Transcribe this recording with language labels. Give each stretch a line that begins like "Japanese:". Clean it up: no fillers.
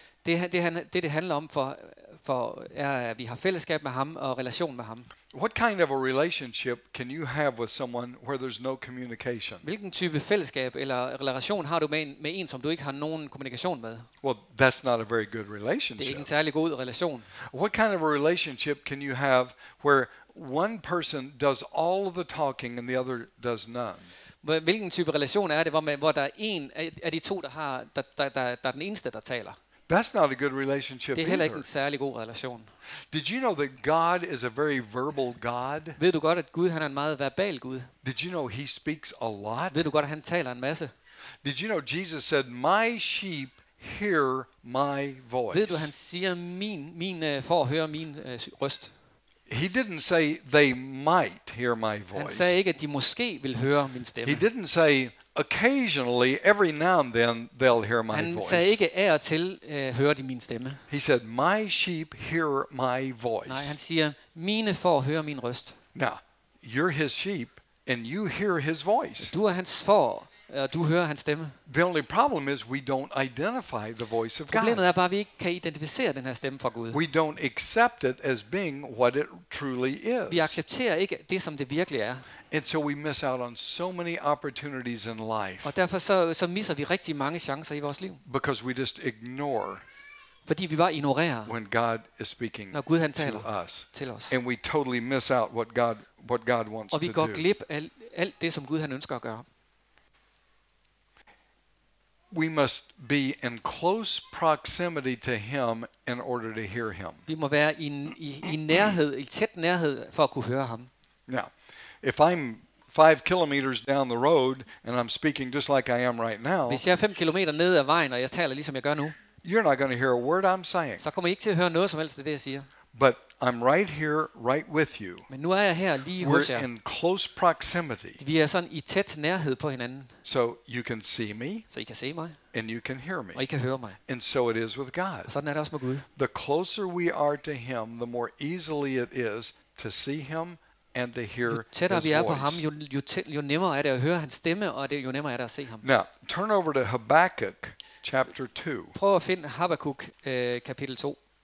Danish: Det handler om for er at vi har fællesskab med ham og relation med ham.
English: What kind of a relationship can you have with someone where there's no communication?
Danish: Hvilken type fællesskab eller relation har du med en som du ikke har nogen kommunikation med?
English: Well, that's not a very good relationship.
Danish: Det er ikke en særlig god relation.
English: What kind of a relationship can you have where one person does all of the talking and the other does none?
Danish: Hvilken type relation er det hvor der er en af de to der er den eneste der taler?
English: That's not a good relationship either.
Danish: Det er heller ikke en særlig god relation.
English: Did you know that God is a very verbal God?
Danish: Ved du godt at Gud han er en meget verbal Gud?
English: Did you know he speaks a lot?
Danish: Ved du godt at han taler en masse?
English: Did you know Jesus said my sheep hear my voice?
Danish: Ved du han siger mine får høre min røst?
English: He didn't say they might hear my voice.
Danish: Han sagde ikke at de måske vil høre min stemme.
English: He didn't say occasionally, every now and then, they'll hear my
Danish: han Han sagde ikke af og til hører de min stemme.
English: He said, "My sheep hear my voice."
Danish: Nej, han siger mine får høre min røst.
English: Now, you're his sheep, and you hear his voice.
Danish: Du er hans får, Og du hører hans stemme.
English: The only problem is we don't identify the voice of God.
Danish: Problemet er bare, at vi ikke kan identificere den her stemme fra Gud.
English: We don't accept it as being what it truly is.
Danish: Vi accepterer ikke det, som det virkelig er.
English: And so we miss out on so many opportunities in life.
Danish: Og derfor så misser vi rigtig mange chancer i vores liv.
English: Because we just ignore.
Danish: Fordi vi bare ignorerer.
English: When God is speaking,
Danish: når Gud han taler
English: to us,
Danish: til os.
English: And we totally miss out what God wants to do.
Danish: Og vi går glip af alt det, som Gud han ønsker at gøre.
English: We must be in close proximity to him in order to hear him.
Danish: Vi må være i tæt nærhed for at kunne høre ham.
English: Now, if I'm 5 kilometers down the road and I'm speaking just like I am right now.
Danish: Hvis jeg er 5 kilometer ned ad vejen og jeg taler ligesom jeg gør nu.
English: You're not going to hear a word I'm saying.
Danish: Så kommer I ikke til at høre noget som helst af det jeg siger.
English: But I'm right here, right with you.
Danish: Men nu er jeg her lige
English: We're
Danish: hos jer.
English: We're in close proximity.
Danish: Vi er sådan i tæt nærhed på hinanden.
English: So you can see me.
Danish: Så I kan se mig.
English: And you can hear me.
Danish: Og I kan høre mig.
English: And so it is with God.
Danish: Og sådan er det også med Gud.
English: The closer we are to him, the more easily it is to see him and to hear his voice.
Danish: Jo tættere vi er på ham, jo nemmere er det at høre hans stemme, og det jo nemmere er det at se ham.
English: Now, turn over to Habakkuk chapter 2.
Danish: Prøv at finde Habakkuk kapitel 2.